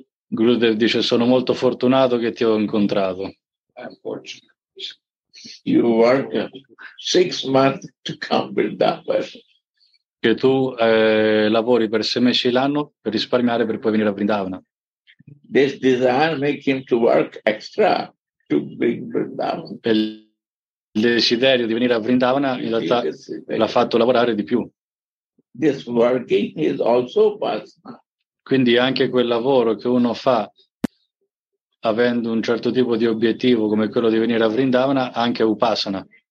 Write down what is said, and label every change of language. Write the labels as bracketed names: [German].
[Italian] Gurudev dice: sono molto fortunato che ti ho incontrato. [English] I'm fortunate. You work 6 months to come with that person. [Italian] Che tu lavori per 6 mesi l'anno per risparmiare per poi venire a Vrindavana. [English] This desire make him to work extra to bring Vrindavana. [Italian] Il desiderio di venire a Vrindavana in realtà l'ha fatto lavorare di più. [English] This working is also Upasana. [Italian] Quindi anche quel lavoro che uno fa avendo un certo tipo di obiettivo come quello di venire a Vrindavana anche Upasana.